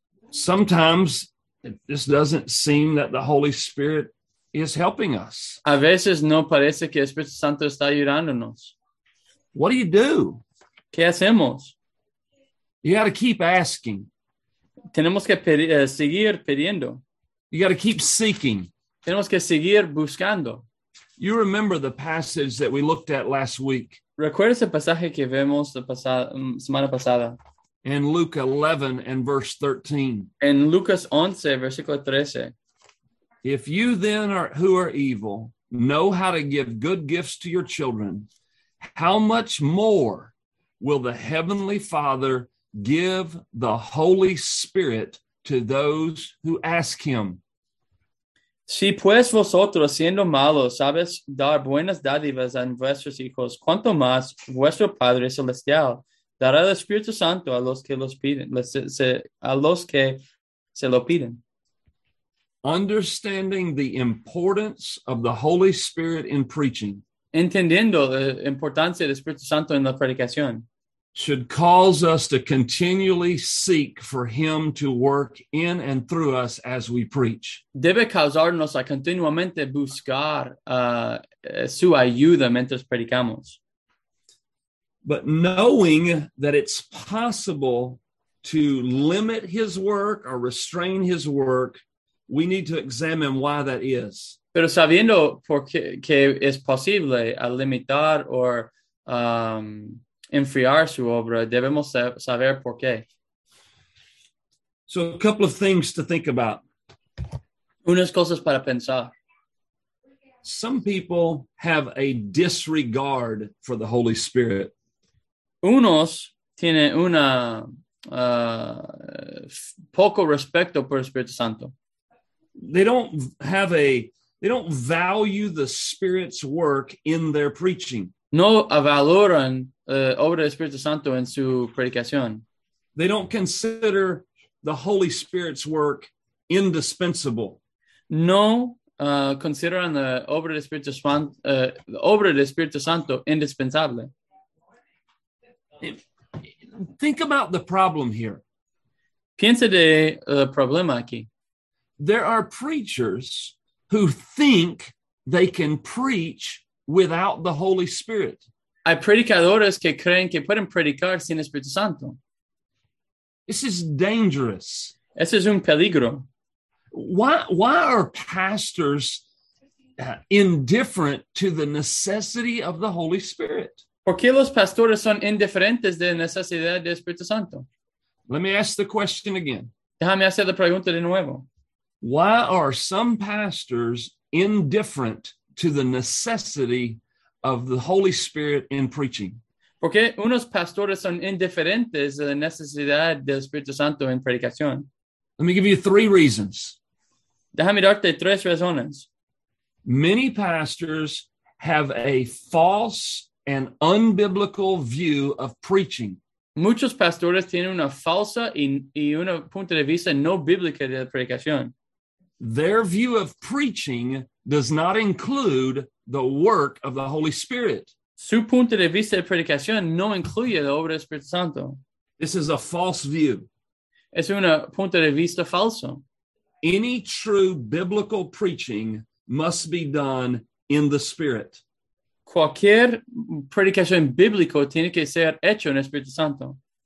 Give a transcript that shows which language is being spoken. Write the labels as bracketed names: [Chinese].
[English] Sometimes it just doesn't seem that the Holy Spirit is helping us. [Spanish] A veces no parece que el Espíritu Santo está ayudándonos. [English] What do you do? [Spanish] ¿Qué hacemos? [English] You got to keep asking. [Spanish] Tenemos que seguir pidiendo. [English] You got to keep seeking. [Spanish] Tenemos que seguir buscando. [English] You remember the passage that we looked at last week. [Spanish] ¿Recuerdas el pasaje que vemos la semana pasada? [English] In Luke 11 and verse 13. [Spanish] En Lucas 11, versículo 13. [English] If you then who are evil know how to give good gifts to your children, how much more will the Heavenly Father give the Holy Spirit to those who ask him. [Spanish] Si pues vosotros, siendo malos, sabes dar buenas dádivas a vuestros hijos, cuanto más vuestro Padre Celestial dará el Espíritu Santo a los que los piden, a los que se lo piden. [English] Understanding the importance of the Holy Spirit in preaching. [Spanish] Entendiendo la importancia del Espíritu Santo en la predicación. [English] Should cause us to continually seek for him to work in and through us as we preach. [Spanish] Debe causarnos a continuamente buscar su ayuda mientras predicamos. [English] But knowing that it's possible to limit his work or restrain his work, we need to examine why that is. [Spanish] Pero sabiendo por qué que es posible a limitar o enfriar su obra, debemos saber por qué. [English] So a couple of things to think about. [Spanish] Unas cosas para pensar. [English] Some people have a disregard for the Holy Spirit. [Spanish] Unos tienen una poco respeto por el Espíritu Santo. [English] They don't value the Spirit's work in their preaching. [Spanish] No valoran obra del Espíritu Santo en su predicación. [English] They don't consider the Holy Spirit's work indispensable. [Spanish] No consideran la obra del Espíritu Santo, indispensable. [English] Think about the problem here. [Spanish] Piensa de problema aquí. [English] There are preachers who think they can preach without the Holy Spirit. [Spanish] Hay predicadores que creen que pueden predicar sin Espíritu Santo. [English] This is dangerous. [Spanish] Ese es un peligro. [English] Why are pastors indifferent to the necessity of the Holy Spirit? [Spanish] ¿Por qué los pastores son indiferentes de la necesidad del Espíritu Santo? [English] Let me ask the question again. [Spanish] Déjame hacer la pregunta de nuevo. [English] Why are some pastors indifferent to the necessity of the Holy Spirit in preaching? [Spanish] ¿Por qué unos pastores son indiferentes a la necesidad del Espíritu Santo en predicación? [English] Let me give you three reasons. [Spanish] Déjame darte tres razones. [English] Many pastors have a false and unbiblical view of preaching. [Spanish] Muchos pastores tienen una falsa y una punto de vista no bíblica de la predicación. [English] Their view of preaching does not include the work of the Holy Spirit. [Spanish] Su punto de vista de predicación no incluye la obra del Espíritu Santo. [English] This is a false view. [Spanish] Es un punto de vista falso. [English] Any true biblical preaching must be done in the Spirit. [Spanish] Cualquier predicación bíblica tiene que ser hecho en el Espíritu Santo.